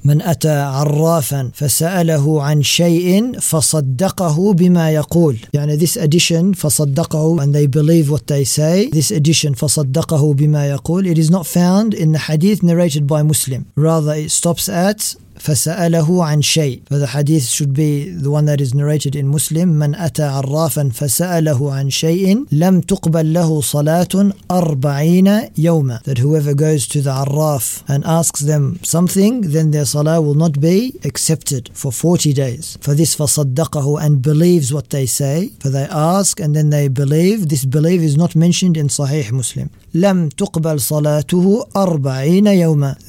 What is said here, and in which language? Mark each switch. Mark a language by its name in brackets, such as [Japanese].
[Arabic] مَنْ أَتَى عَرَّافًا فَسَأَلَهُ عَنْ شَيْءٍ فَصَدَّقَهُ بِمَا يَقُولُ. [English] يعني this addition, فَصَدَّقَهُ, and they believe what they say, this addition, [Arabic] فَصَدَّقَهُ بِمَا يَقُولُ, [English] it is not found in the hadith narrated by Muslim. Rather, it stops at [Arabic] فسأله عن شيء. [English] For the hadith should be the one that is narrated in Muslim. [Arabic] من أتى عرافا فسأله عن شيء لم تقبل له صلاة 40 يوما. [English] That whoever goes to the عراف and asks them something, then their salah will not be accepted for 40 days. For this فصدقه, and believes what they say. For they ask and then they believe. This belief is not mentioned in Sahih Muslim. [Arabic] لم تقبل صلاته 40 يوما.